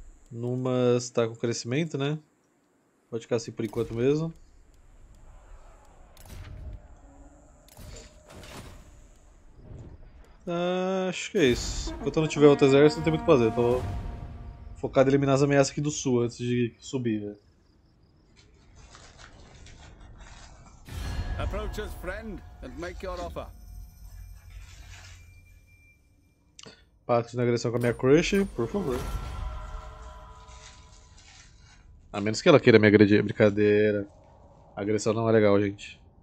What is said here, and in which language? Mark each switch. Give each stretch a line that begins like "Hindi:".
Portuguese: Numas tá com crescimento, né? Pode ficar assim por enquanto mesmo. Ah, acho que é isso. Enquanto eu não tiver outro exército, não tem muito o que fazer. Tô focado em eliminar as ameaças aqui do sul antes de subir.
English: Approach his friend and make your offer.
Portuguese: Pacto de agressão com a minha crush, por favor. A menos que ela queira me agredir. Brincadeira. A agressão não é legal, gente.